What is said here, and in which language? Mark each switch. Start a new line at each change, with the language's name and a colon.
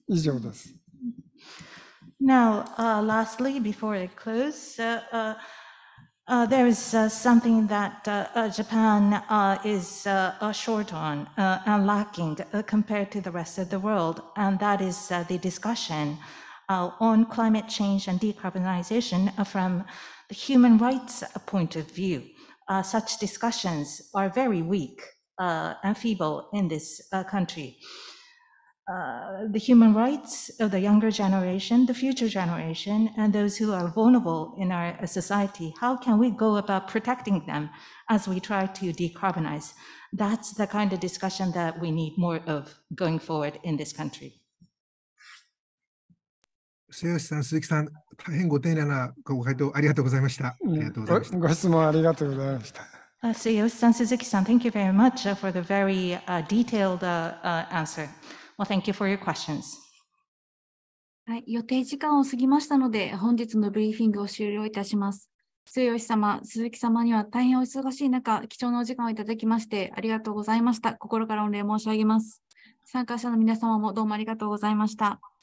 Japanese: 以上です。
English: Now, lastly, before I close, there is something that Japan is short on and lacking compared to the rest of the world, and that is the discussion on climate change and decarbonization from the human rights point of view. Such discussions are very weak. And feeble in this country. The human rights of the younger generation, the future generation, and those who are vulnerable in our society, how can we go about protecting them as we try to decarbonize? That's the kind of discussion that we need more of going forward in this country.
Japanese: 末吉さん、鈴木さん、大変ご丁寧なご回答ありがとうございました。ご質問ありがとうございました。
English: Seiyoshi-san, Suzuki-san, thank you very much for the very detailed answer. Well, thank you for your questions.
Japanese: はい、予定時間を過ぎましたので、本日のブリーフィングを終了いたします。 Seiyoshi-san, Suzuki-san には大変お忙しい中、貴重なお時間をいただきまして、ありがとうございました。心から御礼申し上げます。参加者の皆様もどうもありがとうございました。